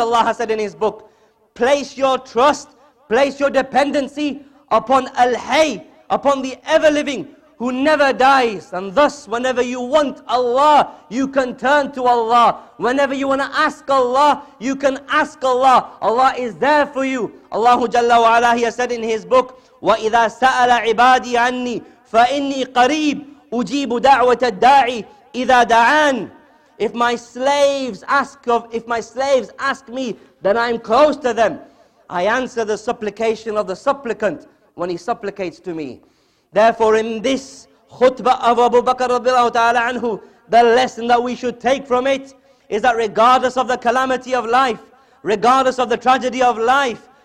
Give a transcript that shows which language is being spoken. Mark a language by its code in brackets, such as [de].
[en] Allah has said in his book, place your trust, place your dependency upon Al-Hayy, upon the ever-living who never dies. And thus, whenever you want Allah, you can turn to Allah. Whenever you want to ask Allah, you can ask Allah. Allah is there for you. Allahu Jalla wa Ala, he has said in his book, [ar] وَإِذَا سَأَلَ عِبَادِي عَنِّي فَإِنِّي قَرِيبُ أُجِيبُ دَعْوَةَ الدَّاعِي إِذَا دَعَانِ. [en] If my slaves ask me, then I am close to them. I answer the supplication of the supplicant when he supplicates to me. Therefore, in this khutbah of Abu Bakr radiallahu ta'ala anhu, the lesson that we should take from it is that regardless of the calamity of life, regardless of the tragedy of life,